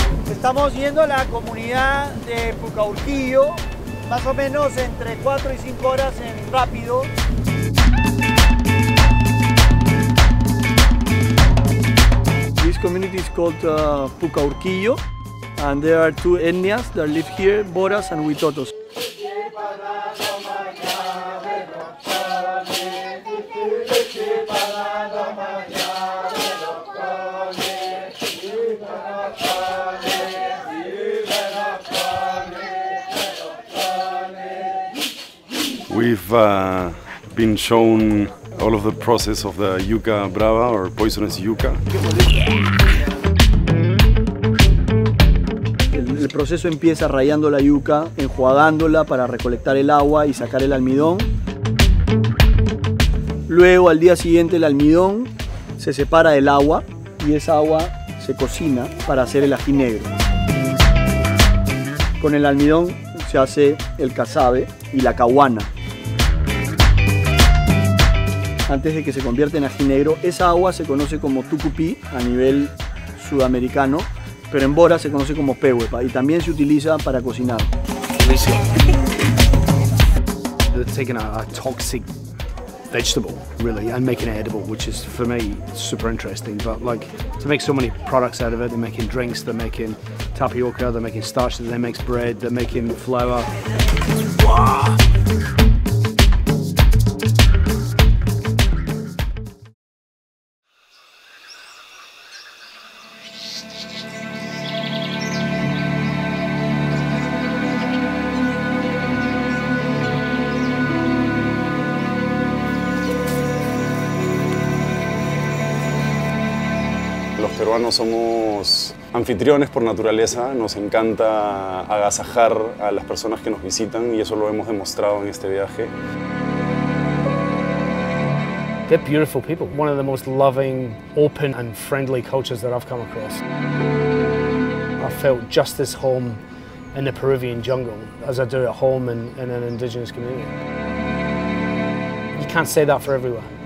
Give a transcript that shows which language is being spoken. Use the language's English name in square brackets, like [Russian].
[Spanish] Estamos yendo a la comunidad de Pucaurquillo, más o menos entre 4 y 5 horas en rápido. [English] This community is called Pucaurquillo, and there are two etnias that live here, Boras and Huitotos. We've been shown all of the process of the yuca brava, or poisonous yuca. [Spanish] El proceso empieza rayando la yuca, enjuagándola para recolectar el agua y sacar el almidón. Luego, al día siguiente, el almidón se separa del agua y esa agua se cocina para hacer el ají negro. Con el almidón se hace el casabe y la caguana. Antes de que se convierta en ají negro, esa agua se conoce como tucupí a nivel sudamericano, pero en Bora se conoce como pehuepa y también se utiliza para cocinar. [English] Taking a toxic vegetable, really, and making it edible, which is for me super interesting. But like, to make so many products out of it, they're making drinks, they're making tapioca, they're making starch, they make bread, they're making flour. [Spanish] Los peruanos somos anfitriones por naturaleza, nos encanta agasajar a las personas que nos visitan y eso lo hemos demostrado en este viaje. [English] They're beautiful people, one of the most loving, open and friendly cultures that I've come across. I felt just as home in the Peruvian jungle as I do at home in an indigenous community. You can't say that for everyone.